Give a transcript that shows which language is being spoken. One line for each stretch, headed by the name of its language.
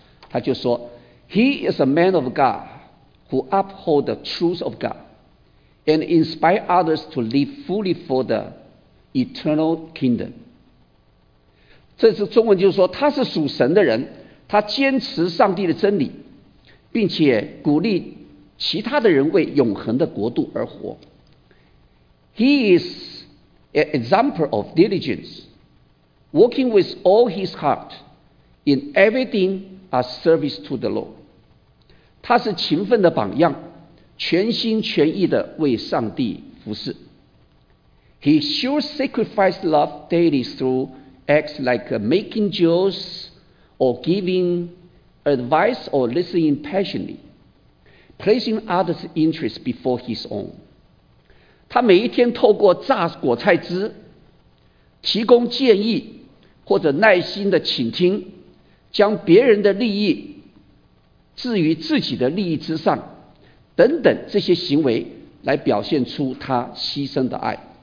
Chinese: 他就说
English: ，He is a man of God who uphold the truth of God and inspire others to live fully for the eternal kingdom。
Chinese: 这是中文，就是说他是属神的人，他坚持上帝的真理，并且鼓励其他的人为永恒的国度而活。
English: He is an example of diligence, working with all his heart in everything as service to the Lord。
Chinese: 他是勤奋的榜样，全心全意的为上帝服事。
English: He shows sacrificed love daily through acts like making jewels or giving advice or listening patiently, placing others' interests before his own。
Chinese: 他每一天透过榨果菜汁，提供建议，或者耐心的倾听，将别人的利益置于自己的利益之上，等等这些行为，来表现出他牺牲的爱。